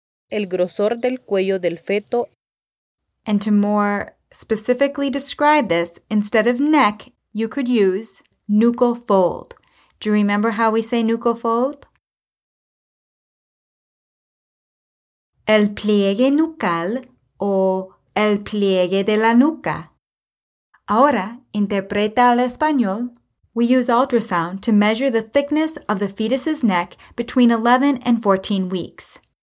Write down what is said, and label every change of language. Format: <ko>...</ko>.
<es>El grosor del cuello del feto.</es> <en>And to more specifically describe this, instead of neck, you could use nuchal fold. Do you remember how we say nuchal fold?</en> <es>El pliegue nucal o el pliegue de la nuca. Ahora, interpreta al español.</es> <en>We use ultrasound to measure the thickness of the fetus's neck between 11 and 14 weeks.</en>